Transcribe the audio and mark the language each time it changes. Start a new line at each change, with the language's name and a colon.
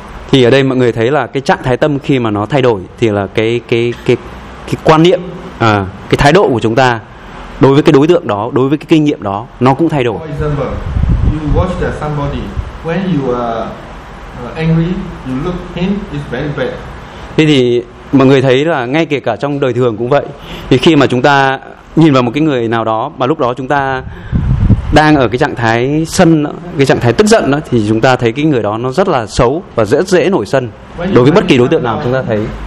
Vietnamese: Thì ở đây mọi người thấy là cái trạng thái tâm khi mà nó thay đổi thì là cái quan niệm, cái thái độ của chúng ta đối với cái đối tượng đó, đối với cái kinh nghiệm đó, nó cũng thay đổi.
English: You watch that somebody when you are angry, you look him is very bad.
Vietnamese: Thế thì mọi người thấy là ngay kể cả trong đời thường cũng vậy. Thì khi mà chúng ta nhìn vào một cái người nào đó mà lúc đó chúng ta đang ở cái trạng thái sân, cái trạng thái tức giận đó, thì chúng ta thấy cái người đó nó rất là xấu và rất dễ nổi sân đối với bất kỳ đối tượng nào chúng ta thấy.